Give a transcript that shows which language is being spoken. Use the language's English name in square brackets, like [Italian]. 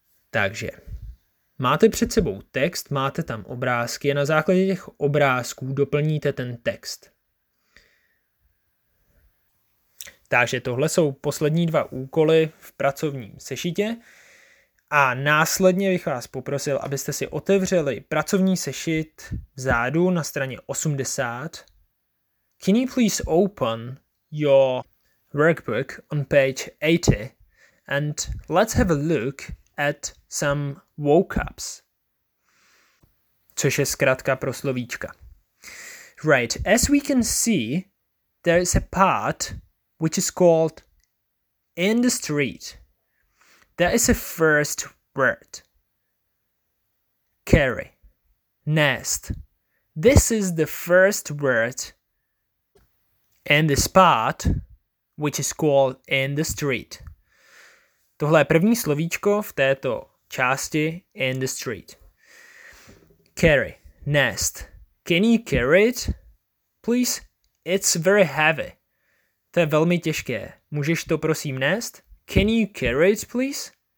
[Czech] Takže máte před sebou text, máte tam obrázky a na základě těch obrázků doplníte ten text. Takže tohle jsou poslední dva úkoly v pracovním sešitě a následně bych vás poprosil, abyste si otevřeli pracovní sešit vzadu na straně 80. [English] Can you please open your workbook on page 80 and let's have a look at some vocabs, [Czech] což je zkrátka pro slovíčka. [English] Right, as we can see, there is a part which is called in the street. That is a first word. Carry, nest. This is the first word in this part which is called in the street. [Czech] Tohle je první slovíčko v této části [English] in the street. Carry, nest. Can you carry it? Please, it's very heavy. [Czech] To je velmi těžké. Můžeš to prosím nést? [English] Can you carry it, please?